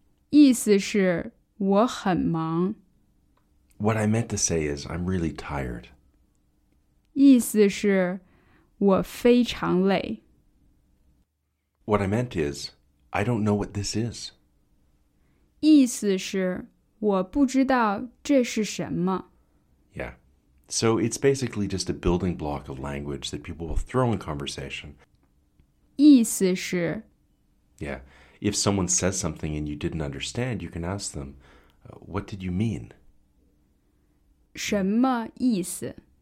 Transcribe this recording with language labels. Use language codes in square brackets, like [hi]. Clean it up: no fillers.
[zh] 意思是我很忙。 [en] What I meant to say is, I'm really tired. [zh] 意思是我非常累。 [en] What I meant is, I don't know what this is. [zh] 意思是我不知道这是什么。 [en] Yeah. So it's basically just a building block of language that people will throw in conversation. [zh] 意思是。 [en] Yeah. If someone says something and you didn't understand, you can ask them, what did you mean? [zh] 什么意思?